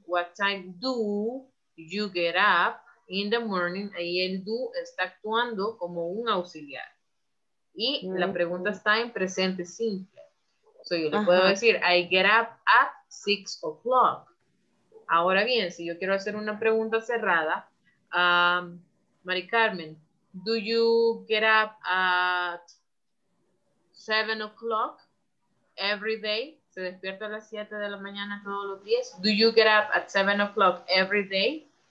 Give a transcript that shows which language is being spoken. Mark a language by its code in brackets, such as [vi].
[en] What time do you get up in the morning? [es] Ahí el do está actuando como un auxiliar. Y la pregunta está en presente simple. So yo le puedo decir, [en] I get up at 6 o'clock. [es] Ahora bien, si yo quiero hacer una pregunta cerrada, Mari Carmen, [en] do you get up at 7 o'clock every day? [es] ¿Se despierta a las 7 de la mañana todos los días? [en] Do you get up at 7 o'clock every day?